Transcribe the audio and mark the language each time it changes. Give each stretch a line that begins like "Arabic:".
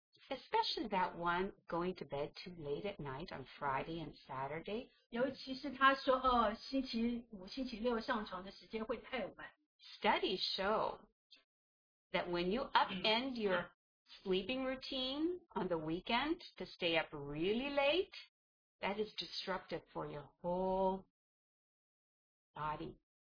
English: Especially that one going to bed too late at night on Friday and Saturday.
Chinese: 尤其是他说，星期五、星期六上床的时间会太晚。
English: Studies show that when you upend your sleeping routine on the weekend to stay up really late, that is disruptive for your whole body.